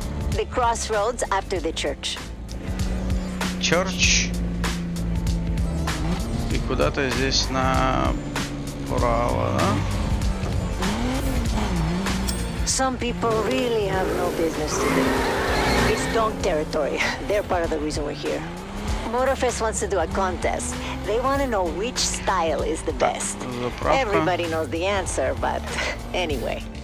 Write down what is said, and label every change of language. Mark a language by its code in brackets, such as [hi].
[en] The crossroads after the church. Church. [ru] И куда-то здесь направо, да? [en] Some people really have no business to do. It's dog territory. They're part of the reason we're here. Motorfest wants to do a contest. They want to know which style is the best. Everybody knows the answer, but anyway.